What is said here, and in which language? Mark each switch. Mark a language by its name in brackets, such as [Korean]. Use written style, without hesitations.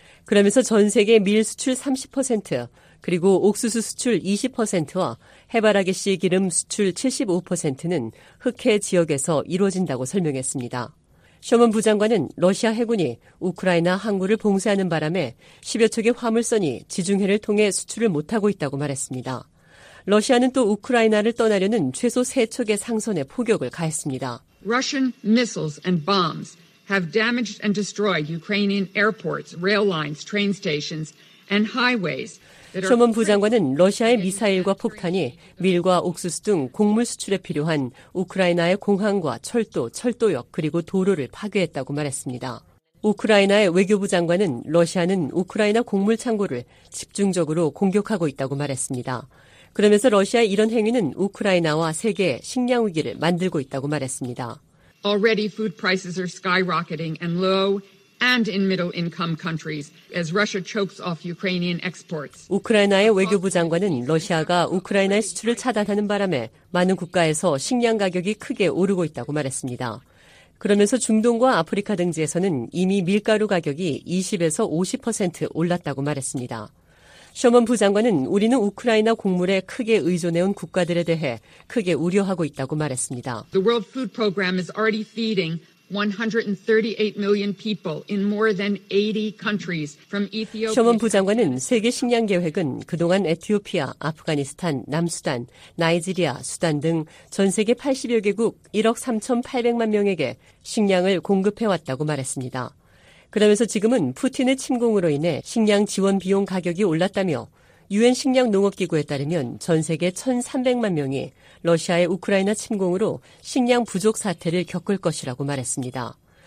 [Korean] 그러면서 전 세계 밀 수출 30%, 그리고 옥수수 수출 20%와 해바라기 씨 기름 수출 75%는 흑해 지역에서 이루어진다고 설명했습니다. 셔먼 부장관은 러시아 해군이 우크라이나 항구를 봉쇄하는 바람에 10여 척의 화물선이 지중해를 통해 수출을 못하고 있다고 말했습니다. 러시아는 또 우크라이나를 떠나려는 최소 3척의 상선에 폭격을 가했습니다. [English] Russian missiles and bombs have damaged and destroyed Ukrainian airports, rail lines, train stations and highways. [Korean] 셔먼 부장관은 러시아의 미사일과 폭탄이 밀과 옥수수 등 곡물 수출에 필요한 우크라이나의 공항과 철도, 철도역 그리고 도로를 파괴했다고 말했습니다. 우크라이나의 외교부 장관은 러시아는 우크라이나 곡물 창고를 집중적으로 공격하고 있다고 말했습니다. 그러면서 러시아의 이런 행위는 우크라이나와 세계의 식량 위기를 만들고 있다고 말했습니다. [English] Already food prices are skyrocketing and low. And in middle-income countries, as Russia chokes off Ukrainian exports. [Korean] 우크라이나의 외교부 장관은 러시아가 우크라이나의 수출을 차단하는 바람에 많은 국가에서 식량 가격이 크게 오르고 있다고 말했습니다. 그러면서 중동과 아프리카 등지에서는 이미 밀가루 가격이 20에서 50% 올랐다고 말했습니다. 셔먼 부장관은 우리는 우크라이나 곡물에 크게 의존해온 국가들에 대해 크게 우려하고 있다고 말했습니다. [English] The World Food Program is already feeding 138 million people in more than 80 countries from Ethiopia. [Korean] 셔먼 부장관은 세계 식량 계획은 그동안 에티오피아, 아프가니스탄, 남수단, 나이지리아, 수단 등 전 세계 80여 개국 1억 3,800만 명에게 식량을 공급해 왔다고 말했습니다. 그러면서 지금은 푸틴의 침공으로 인해 식량 지원 비용 가격이 올랐다며 유엔 식량 농업 기구에 따르면 전 세계 1,300만 명이 러시아의 우크라이나 침공으로 식량 부족 사태를 겪을 것이라고 말했습니다.